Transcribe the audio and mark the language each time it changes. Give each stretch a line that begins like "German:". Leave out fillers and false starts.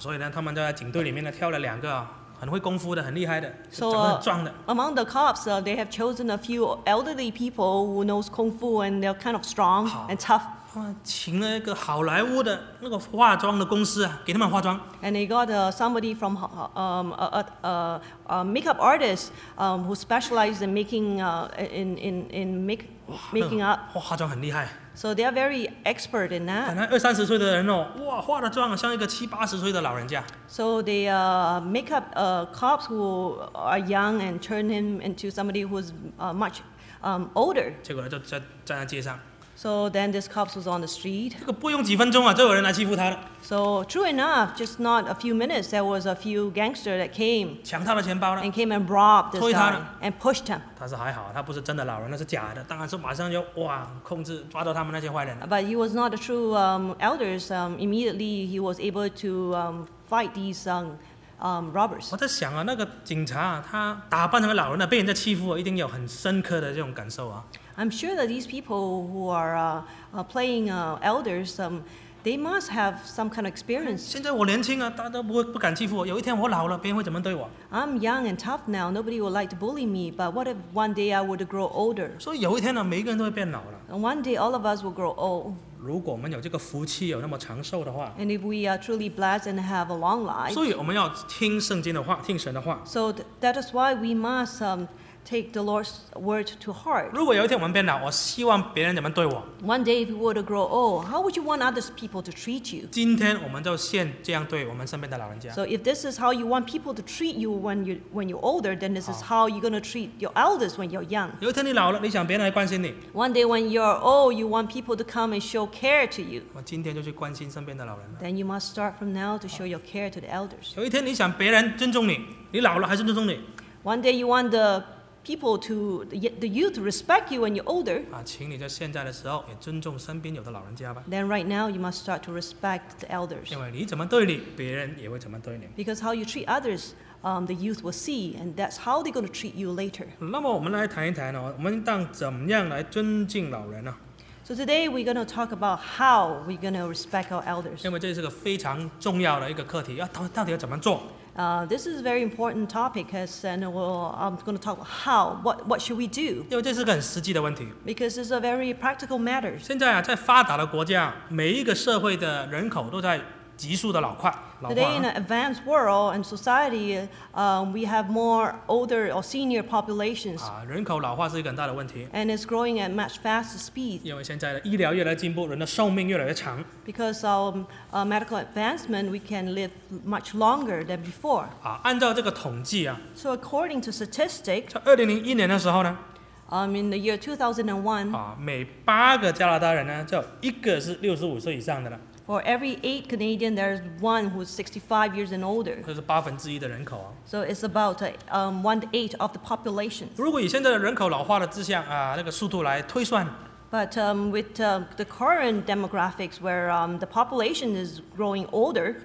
Chinese: 所以呢，他们在警队里面呢挑了两个很会功夫的，很厉害的，
English: so,
Chinese: 长得很壮的。
English: Among the cops, they have chosen a few elderly people who knows kung fu and they're kind of strong and tough.
Chinese: 请了一个好莱坞的那个化妆的公司啊，给他们化妆。
English: And they got somebody from a makeup artist who specializes in making up.
Chinese: 化妆很厉害。
English: So they are very expert in that.
Chinese: 本来二三十岁的人哦，哇，化的妆像一个七八十岁的老人家。
English: So they make up cops who are young and turn him into somebody who is much older.
Chinese: 结果就站在街上。
English: So then this cop was on the street.
Chinese: 这个不用几分钟啊，就有人来欺负他了。
English: So true enough, just not a few minutes, there was a few gangster that came.
Chinese: 抢他的钱包了。
English: And came and robbed this guy.
Chinese: 推他了。
English: And pushed him.
Chinese: 他是还好，他不是真的老人，那是假的。当然是马上就哇，控制抓到他们那些坏人了。
English: But he was not a true elders. Immediately he was able to fight these robbers.
Chinese: 我在想啊，那个警察啊，他打扮成老人了，被人家欺负，一定有很深刻的这种感受啊。
English: I'm sure that these people who are playing elders, they must have some kind of experience.
Chinese: 现在我年轻啊，大家都不敢欺负我。有一天我老了，别人会怎么对我？
English: I'm young and tough now. Nobody will like to bully me. But what if one day I were to grow older?
Chinese: 所以有一天呢，每一个人都会变老了。
English: And one day all of us will grow old.
Chinese: 如果我们有这个福气，有那么长寿的话。
English: And if we are truly blessed and have a long life.
Chinese: 所以我们要听圣经的话，听神的话。
English: So that is why we must take the Lord's word to heart.
Chinese: 如果有一天我们变老，我希望别人怎么对我。
English: One day if you were to grow old, how would you want other people to treat you?
Chinese: 今天我们就先这样对我们身边的老人家。
English: So if this is how you want people to treat you when you're older, then this is how you're going to treat your elders when you're young.
Chinese: 有一天你老了，你想别人来关心你。
English: One day when you're old, you want people to come and show care to you.
Chinese: 我今天就去关心身边的老人。
English: Then you must start from now to show your care to the elders.
Chinese: 有一天你想别人尊重你，你老了还是尊重你。
English: One day you want the youth respect you when you're older.
Chinese: 请你在现在的时候也尊重身边有的老人家吧。
English: Then right now you must start to respect the elders.
Chinese: 因为你怎么对你，别人也会怎么对你。
English: Because how you treat others, the youth will see, and that's how they're going to treat you later.
Chinese: 那么我们来谈一谈哦，我们当怎么样来尊敬老人呢？
English: So today we're going to talk about how we're going to respect our elders.
Chinese: 因为这是个非常重要的一个课题，到底要怎么做？
English: This is a very important topic, I'm going to talk about what should we do?
Chinese: 因为这是个很实际的问题。
English: Because it's a very practical matter.
Chinese: 现在啊，在发达的国家，每一个社会的人口都在急速的老化。
English: Today in an advanced world and society, we have more older or senior populations.
Chinese: 人口老化是一个很大的问题。
English: And it's growing at much faster speed.
Chinese: 因为现在的医疗越来进步，人的寿命越来越长。
English: Because of medical advancement, we can live much longer than before.
Chinese: 按照这个统计啊。
English: So according to statistics.
Chinese: 在2001年的时候呢。
English: In the year 2001.
Chinese: 每八个加拿大人呢，就一个是65岁以上的了。
English: For every 8 Canadian, there is one who is 65 years and older.
Chinese: 这是八分之一的人口啊。
English: So it's about one-eighth of the population.
Chinese: 如果以现在的人口老化的迹象啊，那个速度来推算。
English: But with the current demographics, where the population is growing older.